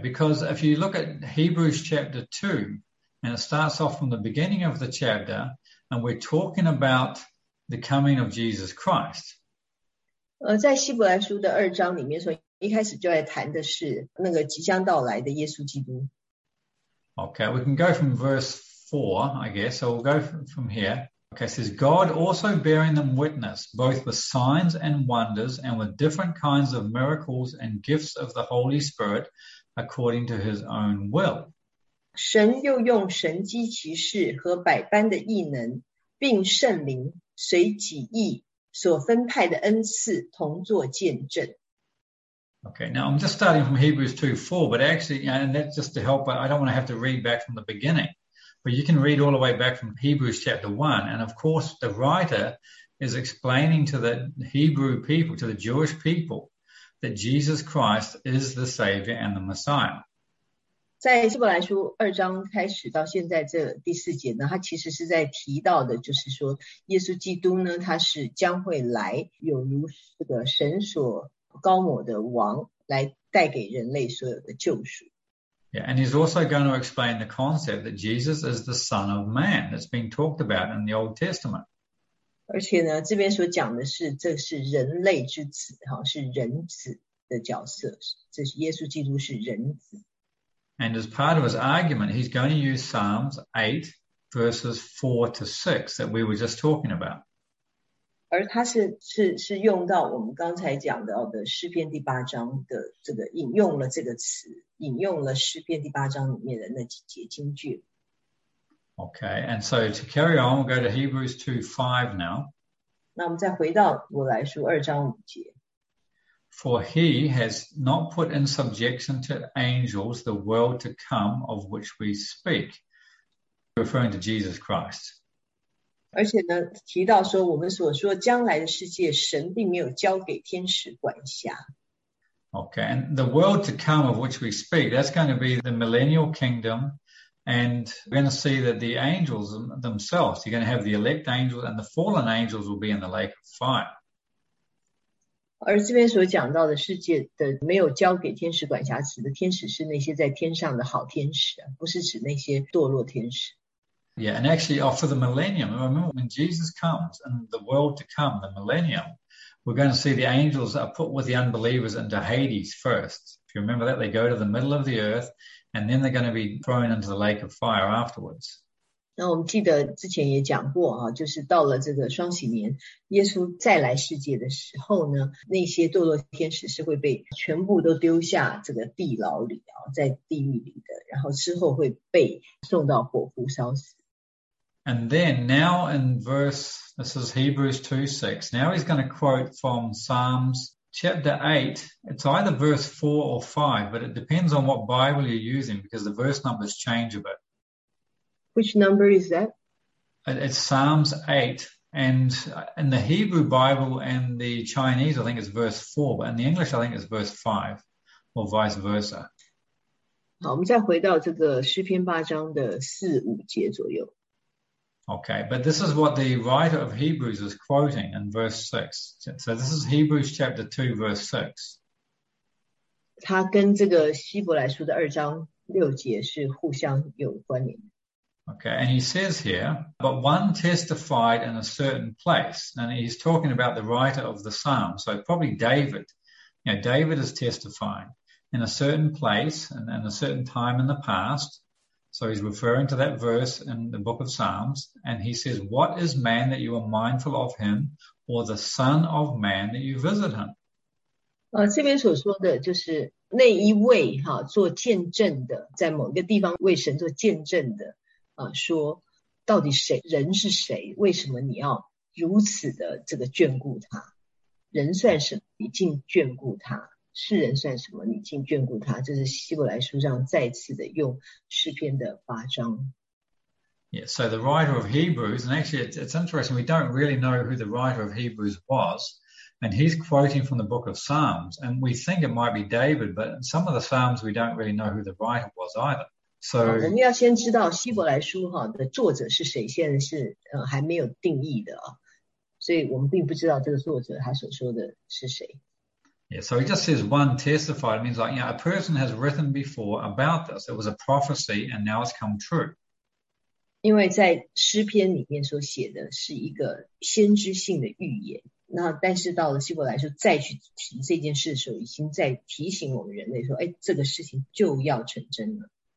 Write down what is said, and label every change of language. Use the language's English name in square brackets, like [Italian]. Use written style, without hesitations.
[English] because if you look at Hebrews chapter 2, And it starts off from the beginning of the chapter, and we're talking about the coming of Jesus Christ. [Chinese] 在希伯来书的二章里面说，一开始就在谈的是那个即将到来的耶稣基督。 [English] Okay, we can go from verse 4, I guess. So we'll go from here. Okay, it says, God also bearing them witness, both with signs and wonders, and with different kinds of miracles and gifts of the Holy Spirit, according to his own will. [Chinese] 神又用神迹奇事和百般的异能，并圣灵随己意所分派的恩赐同作见证。 [English] Okay, now I'm just starting from Hebrews 2:4, but actually, and that's just to help, I don't want to have to read back from the beginning. But you can read all the way back from Hebrews chapter 1. And of course, the writer is explaining to the Hebrew people, to the Jewish people, that Jesus Christ is the Savior and the Messiah. [Chinese] 在希伯来书二章开始到现在这第四节呢，他其实是在提到的，就是说耶稣基督呢，他是将会来，有如这个神所高抹的王，来带给人类所有的救赎。 [English] Yeah, and he's also going to explain the concept that Jesus is the Son of Man that's been talked about in the Old Testament. [Chinese] 而且呢，这边所讲的是，这是人类之子，是人子的角色，这是耶稣基督是人子。 [English] And as part of his argument, he's going to use Psalms 8, verses 4 to 6 that we were just talking about. [Chinese] 而他是用到我们刚才讲到的诗篇第八章的这个引用了这个词，引用了诗篇第八章里面的那几节经句。 [English] Okay, and so to carry on, we'll go to Hebrews 2:5 now. [Chinese] 那我们再回到我来书二章五节。 [English] For he has not put in subjection to angels the world to come of which we speak, referring to Jesus Christ. [Chinese] 而且呢，提到说我们所说将来的世界，神并没有交给天使管辖。 [English] Okay, and the world to come of which we speak, that's going to be the millennial kingdom, and we're going to see that the angels themselves, you're going to have the elect angels and the fallen angels will be in the lake of fire. [Chinese] 而这边所讲到的世界的没有交给天使管辖，指的天使是那些在天上的好天使，不是指那些堕落天使。 [English] Yeah, and actually, oh, for the millennium, remember when Jesus comes and the world to come, the millennium, we're going to see the angels are put with the unbelievers into Hades first. If you remember that, they go to the middle of the earth and then they're going to be thrown into the lake of fire afterwards. [Chinese] 那我们记得之前也讲过啊，就是到了这个双禧年，耶稣再来世界的时候呢，那些堕落天使是会被全部都丢下这个地牢里啊，在地狱里的，然后之后会被送到火湖烧死。 [English] And then now in verse, this is Hebrews 2:6. Now he's going to quote from Psalms chapter 8. It's either verse 4 or 5, but it depends on what Bible you're using because the verse numbers change a bit. Which number is that? It's Psalms 8. And in the Hebrew Bible and the Chinese, I think it's verse 4. But in the English, I think it's verse 5 or vice versa. [Chinese] 好，我们再回到这个诗篇八章的四五节左右。 [English] Okay, but this is what the writer of Hebrews is quoting in verse 6. So this is Hebrews chapter 2, verse 6. [Chinese] 它跟这个希伯来书的二章六节是互相有关联。 [English] Okay, and he says here, but one testified in a certain place. And he's talking about the writer of the psalm. So probably David. You know, David is testifying in a certain place and in a certain time in the past. So he's referring to that verse in the book of Psalms, and he says, what is man that you are mindful of him, or the son of man that you visit him? [Chinese] 这边所说的就是那一位做见证的，在某个地方为神做见证的，说到底谁，人是谁，为什么你要如此的这个眷顾他，人算什么你竟眷顾他。世人算什么？你竟眷顾他？这是希伯来书上再次的用诗篇的八章。 [English] Yeah, so the writer of Hebrews, and actually it's interesting, we don't really know who the writer of Hebrews was, and he's quoting from the book of Psalms, and we think it might be David, but in some of the Psalms we don't really know who the writer was either. So [Chinese] 我们要先知道希伯来书的作者是谁，现在是还没有定义的，所以我们并不知道这个作者他所说的是谁。 [English] Yeah, so he just says one testified. It means like, you know, a person has written before about this. It was a prophecy and now it's come true. [Chinese] 因为在诗篇里面所写的是一个先知性的预言，那但是到了希伯来书再去提这件事的时候，已经在提醒我们人类说，哎，这个事情就要成真了。